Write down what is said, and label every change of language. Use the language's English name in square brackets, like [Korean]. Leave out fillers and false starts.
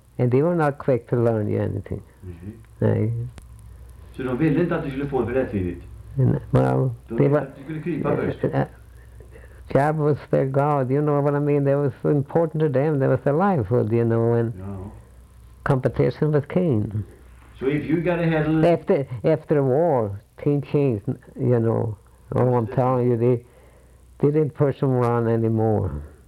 [English] And they were not quick to learn you anything. Mm-hmm. [Swedish] Nej. Så de ville inte att du skulle få det för rättvidigt? Nej, well, de skulle krypa först. [English] Job was their god, you know what I mean? They was important to them, they was their livelihood, you know, and [Swedish] ja. [English] Competition was king. So if you got a head... After the war, things changed, you know. All I'm telling you, they didn't push them around anymore.